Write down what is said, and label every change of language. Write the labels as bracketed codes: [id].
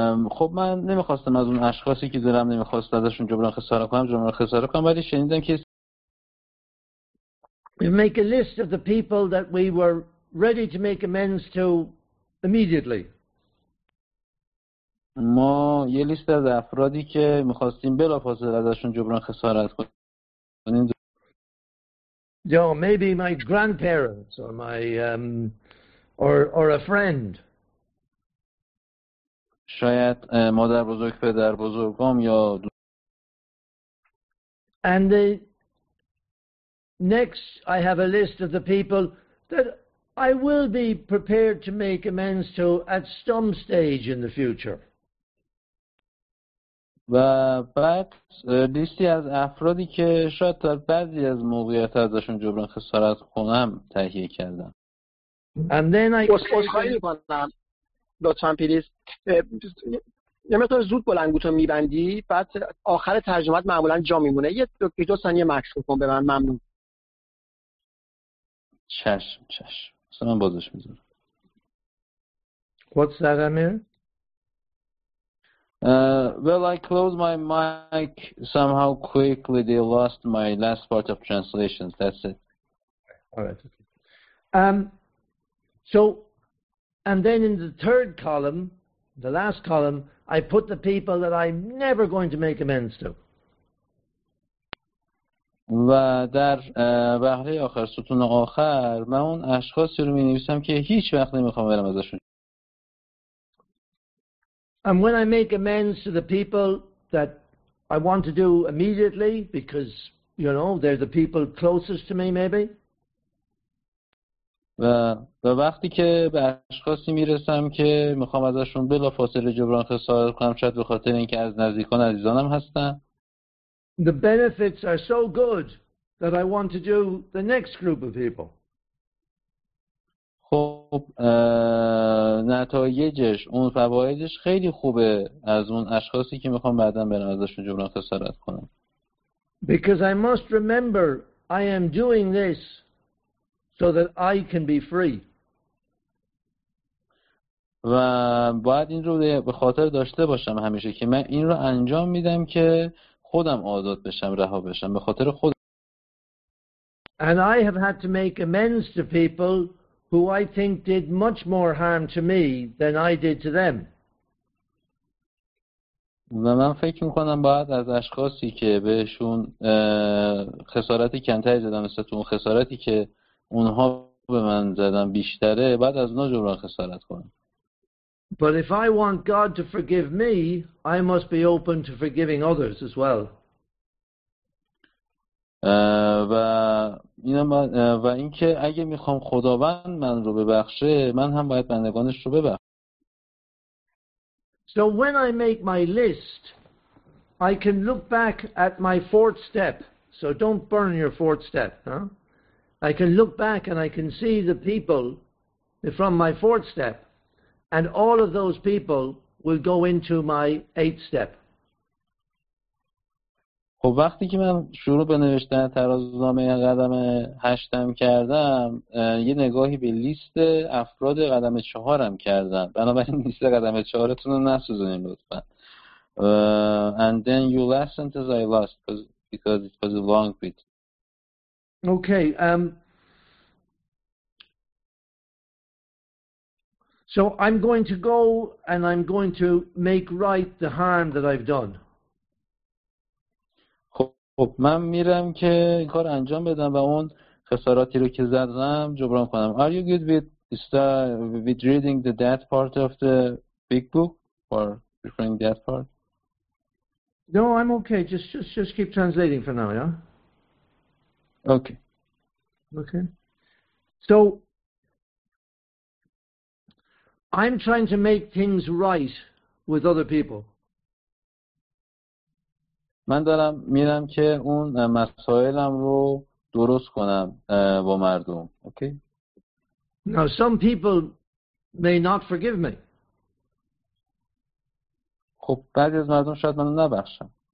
[fa] خب من نمیخواستم از اون اشخاصی که دلم نمیخواست ازشون جبران خساره کنم جبران خساره کنم ولی شنیدم که [en] We make a list of the people that we were ready to make amends to immediately. [fa] ما یه لیست از افرادی که می‌خواستیم بلافاصله ازشون جبران خسارت کنیم. [en] Yeah, maybe my grandparents or my or a friend. [fa] شاید مادر بزرگ پدر بزرگام یا [en] And the next I have a list of the people that I will be prepared to make amends to at some stage in the future. [fa] و بعد لیستی از افرادی که شاید تا بعضی از موقعیت ازشون جبران خسارت کنم تهیه کردم. [en] And then I [fa] لطفاً پلیس یه مقدار زود بلندگوتو می‌بندی بعد آخر ترجمه‌ات معمولاً جا می‌مونه. یه دو ثانیه مکس کن به من. ممنون. چشم. مثلا من بازش می‌ذارم. [en] What's that, Amir? Well, I closed my mic somehow quickly. They lost my last part of translations. That's it. All right. Okay. And then in the third column, the last column, I put the people that I'm never going to make amends to. [fa] و در وهله آخر ستون آخر من اون اشخاصی رو می‌نویسم که هیچ وقت نمی‌خوام برم ازشون. [en] And when I make amends to the people that I want to do immediately, because, you know, they're the people closest to me, maybe. [fa] و وقتی که به اشخاصی میرسم که میخوام ازشون بلافاصله جبران خسارت کنم، شاید به خاطر اینکه از نزدیکان عزیزانم هستن. [en] The benefits are so good that I want to do the next group of people. [fa] خب نتایجش اون فوایدش خیلی خوبه از اون اشخاصی که میخوام بعدم برم ازشون جبران خسارت کنم. [en] Because I must remember I am doing this so that I can be free. [fa] و باید این رو به خاطر داشته باشم همیشه که من این رو انجام میدم که خودم آزاد بشم، رها بشم به خاطر خودم. [en] And I have had to make amends to people who I think did much more harm to me than I did to them. [fa] و من فکر میکنم باید از اشخاصی که بهشون خسارتی کمتری زدم مثل اون خسارتی که اونها به من زدن بیشتره، بعد از اونها جبران خسارت کنم. [en] But if I want God to forgive me, I must be open to forgiving others as well. [fa] و اینکه اگه میخوام خداوند من رو ببخشه، من هم باید بندگانش رو ببخشم. [en] So when I make my list, I can look back at my fourth step. So don't burn your fourth step, huh? I can look back and I can see the people from my fourth step. And all of those people will go into my eighth step. [fa] خب وقتی که من شروع به نوشتن ترازنامه قدم هشتم کردم، یه نگاهی به لیست افراد قدم چهارم کردم. بنابراین لیست قدم چهارتون رو نسوزونیم لطفا. [en] And then you last sentence I lost because it was a long bit. Okay. So I'm going to go and I'm going to make right the harm that I've done. [fa] خب من میرم که این کار انجام بدم و اون خساراتی رو که زدم جبران کنم. [en] Are you good with reading the that part of the big book or preferring that part? No, I'm okay. Just keep translating for now, yeah? Okay. Okay. So I'm trying to make things right with other people. [fa] من دارم میرم که اون مسائلم رو درست کنم با مردم. [en] Okay. Now some people may not forgive me. [fa] خب بعضی از مردم شاید منو نبخشن.